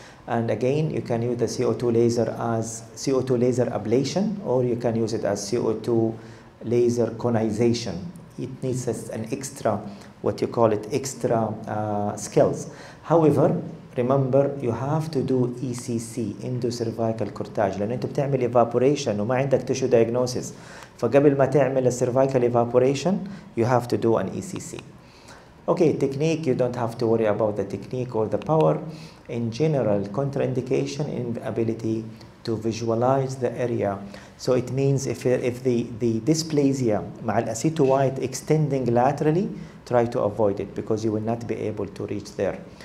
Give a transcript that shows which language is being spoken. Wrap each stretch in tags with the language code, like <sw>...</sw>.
<en>And again, you can use the CO2 laser as CO2 laser ablation, or you can use it as CO2 laser conization. It needs an extra, what you call it, extra skills. However, remember, you have to do ECC, endocervical curtage.</en> <ar>لأن أنت بتعمل evaporation وما عندك tissue diagnosis. فقبل ما تعمل</ar> <en>cervical evaporation, you have to do an ECC. Okay, technique, you don't have to worry about the technique or the power. In general, contraindication, inability to visualize the area. So it means if the dysplasia</en> <ar>مع الأسيتو</ar> <en>white extending laterally, try to avoid it because you will not be able to reach there.</en>